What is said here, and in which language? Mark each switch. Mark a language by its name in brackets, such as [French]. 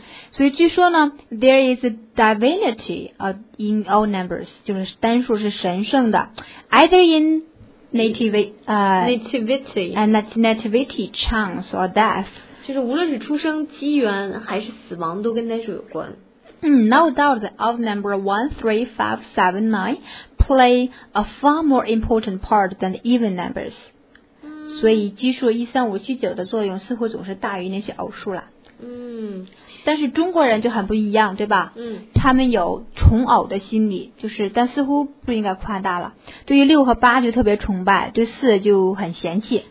[Chinese] 所以据说呢 [English] There is a divinity in all numbers, [Chinese] 就是单数是神圣的。 [English] Either inNativity, chance or death. [Chinese] 就是无论是出生、机缘还是死亡都跟单数有关。 [English] No doubt the odd number 13579 play a far more important part than the even numbers. [Chinese] 所以奇数13579的作用似乎总是大于那些偶数了。但是中国人就很不一样，对吧？他们有崇偶的心理，就是但似乎不应该夸大了，对于六和八就特别崇拜，对四就很嫌弃。